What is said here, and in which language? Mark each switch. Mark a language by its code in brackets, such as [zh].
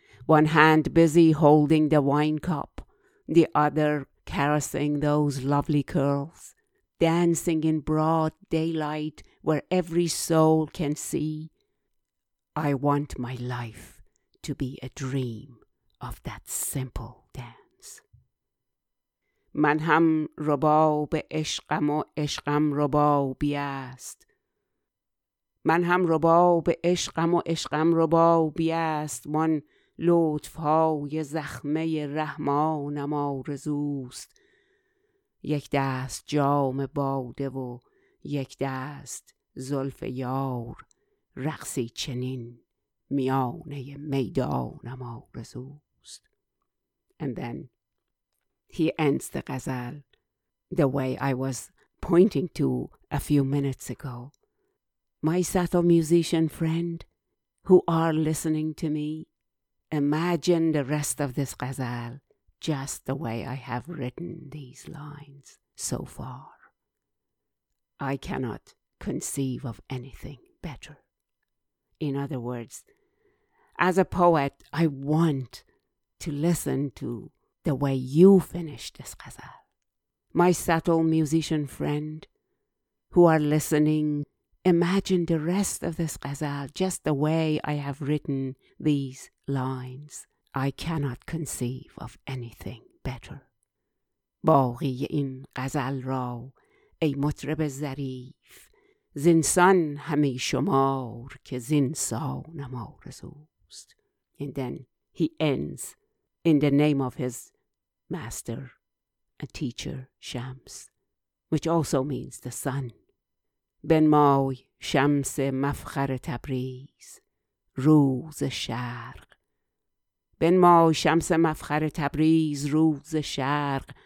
[en] One hand busy holding the wine cup, the other caressing those lovely curls, dancing in broad daylight where every soul can see, I want my life to be a dream of that simple dance. [fa] من هم رباب عشقم و عشقم ربابی است. من هم رباب عشقم و عشقم ربابی است. من لطفهای زخمه رحمانم آرزوست. یک دست جام باده و یک دست زلف یار. رقصی چنین میانه میدانم آرزوست. [en] And then he ends the ghazal the way I was pointing to a few minutes ago. My Sattho musician friend who are listening to me, imagine the rest of this ghazal just the way I have written these lines so far. I cannot conceive of anything better. In other words, as a poet, I want to listen to the way you finish this ghazal. My Sattho musician friend who are listening, imagine the rest of this ghazal just the way I have written these lines. I cannot conceive of anything better. [fa] باقی این ghazal را ای مطرب ظریف زنسان همی شمار که زنسانم آرزوست. [en] And then he ends in the name of his master and teacher Shams, which also means the sun. [fa] بنمای شمس مفخر تبریز روز شرق. بنمای شمس مفخر تبریز روز شرق.